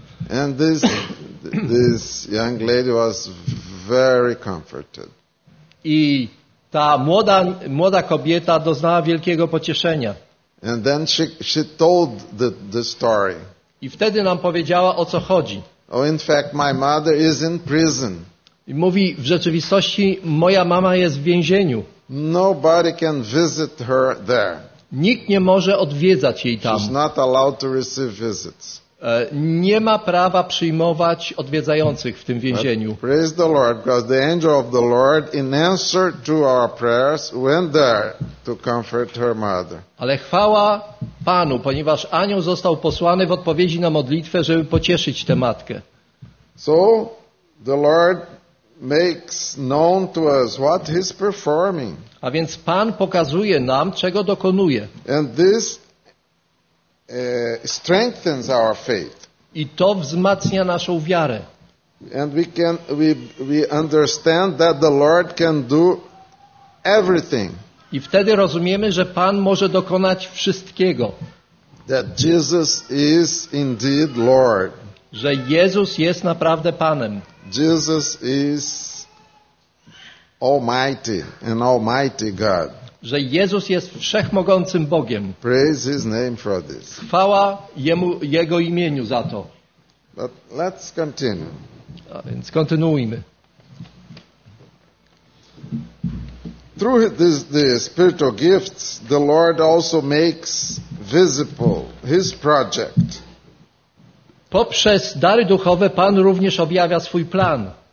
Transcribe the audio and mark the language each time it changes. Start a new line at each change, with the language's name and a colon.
English: And this young lady was very comforted.
Polish: I ta młoda kobieta doznała wielkiego pocieszenia.
English: And then she told the story.
Polish: I wtedy nam powiedziała, o co chodzi.
English: Oh, in fact, my mother is in prison.
Polish: I mówi, w rzeczywistości moja mama jest w więzieniu.
English: Nobody can visit her there.
Polish: Nikt nie może odwiedzać jej tam.
English: She's not allowed to receive visits.
Polish: Nie ma prawa przyjmować odwiedzających w tym więzieniu.
English: Praise the Lord, because the angel of the Lord, in answer to our prayers, went there to comfort her mother.
Polish: Ale chwała Panu, ponieważ anioł został posłany w odpowiedzi na modlitwę, żeby pocieszyć tę matkę.
English: So the Lord makes known to us what he's performing.
Polish: A więc Pan pokazuje nam, czego dokonuje.
English: And this strengthens our faith.
Polish: I to wzmacnia naszą wiarę.
English: And we understand that the Lord can do everything.
Polish: I wtedy rozumiemy, że Pan może dokonać wszystkiego.
English: That Jesus is indeed Lord.
Polish: Że Jezus jest naprawdę Panem.
English: Jesus is Almighty, an Almighty God.
Polish: Że Jezus jest wszechmogącym Bogiem.
English: Praise His name for this.
Polish: Chwała Jemu, Jego imieniu za to.
English: But let's continue.
Polish: A więc kontynuujmy.
English: Through the spiritual gifts, the Lord also makes visible His project.
Polish: Poprzez dary duchowe Pan również objawia swój plan.